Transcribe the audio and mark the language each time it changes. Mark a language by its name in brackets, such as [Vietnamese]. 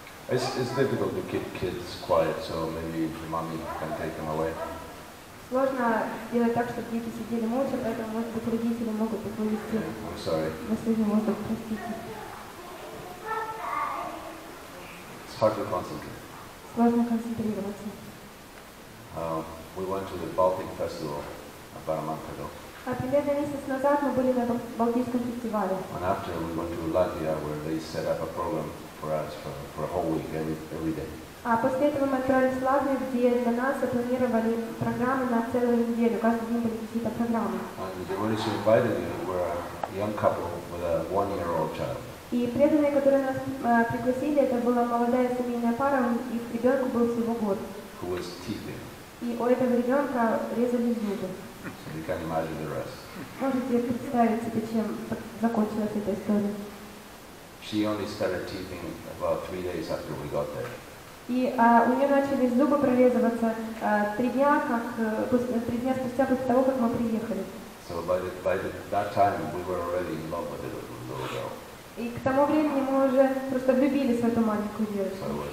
[English] It's difficult to keep kids quiet, so maybe mommy can take them away. [Russian] Сложно делать так, чтобы дети сидели молча, поэтому может быть родители могут их вывести. [English] I'm sorry. [Russian] На сегодня можно простите. [English] Hard to concentrate. [Russian] Сложно концентрироваться. [English] We went to the Baltic Festival about a month ago. [Russian] А примерно месяц назад мы были на Балтийском фестивале. [English] And after we went to Latvia, where they set up a program for us for a whole week every day. [Russian] А после этого мы отправились в Латвию, где для нас запланировали программы на целую неделю, каждый день были какие-то программы. [English] And the devotees invited me were a young couple with a one-year-old child. [Russian] И преданные, которые нас пригласили, это была молодая семейная пара, их ребенку был всего год. [English] Who was teething. [Russian] И у этого ребенка резали зубы. [English] So you can imagine the rest. [Russian] Можете представить себе, чем закончилась эта история. [English] She only started teething about 3 days after we got there. [Russian] И у нее начали зубы прорезываться три дня спустя после того, как мы приехали. [English] So by that time we were already in love with the little girl. [Russian] И к тому времени мы уже просто влюбились в эту маленькую девочку.